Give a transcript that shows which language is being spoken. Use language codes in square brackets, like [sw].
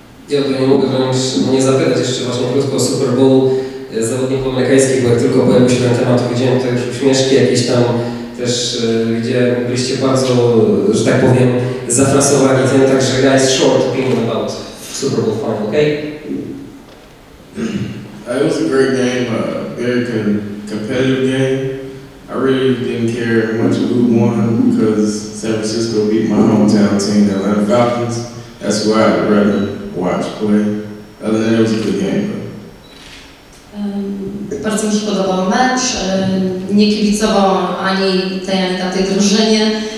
[pl] Ja tutaj nie mogę wręcz nie zapytać jeszcze właśnie krótko o Super Bowl zawodników amerykańskich, bo jak tylko pojawił się ten temat, to widziałem te uśmieszki jakieś tam też, gdzie byliście bardzo, że tak powiem, zafrasowani tym, także [en] guys, short opinion about Super Bowl final, okay? It was a great game, American competitive game. I really didn't care much who won because San Francisco beat my hometown team, the Atlanta Falcons. That's who I'd rather watch play. Other than that, it was a good game. [pl] Bardzo mi się podobał mecz. Nie kibicował ani tej drużynie.